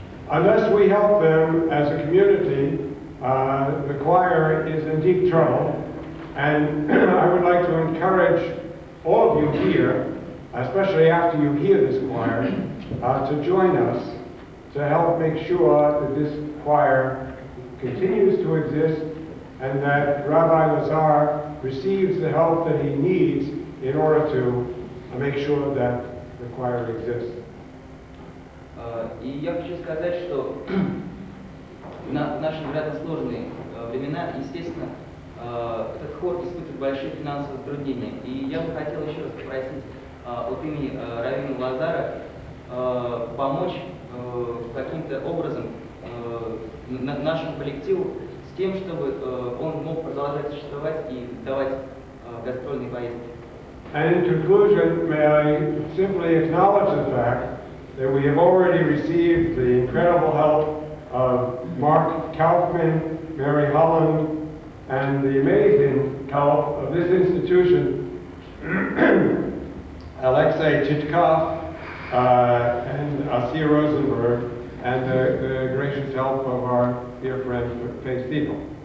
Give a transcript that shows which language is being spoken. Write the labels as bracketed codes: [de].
[en] Unless we help them as a community, the choir is in deep trouble, and I would like to encourage all of you here, especially after you hear this choir, to join us to help make sure that this choir continues to exist and that Rabbi Lazar receives the help that he needs in order to make sure that the choir exists. [ru] И я хочу сказать, что в наши вряд ли сложные времена, естественно, этот хор испытывает большие финансовые затруднения. И я бы хотел еще раз попросить от имени Равина Лазара помочь каким-то образом нашему коллективу с тем, чтобы он мог продолжать существовать и давать гастрольные поездки. [en] And in conclusion, may I simply acknowledge the fact that we have already received the incredible help of Mark Kaufman, Mary Holland, and the amazing help of this institution, Alexei Chitkov, and Asir Rosenberg, and the gracious help of our dear friend, Faith Stiefel.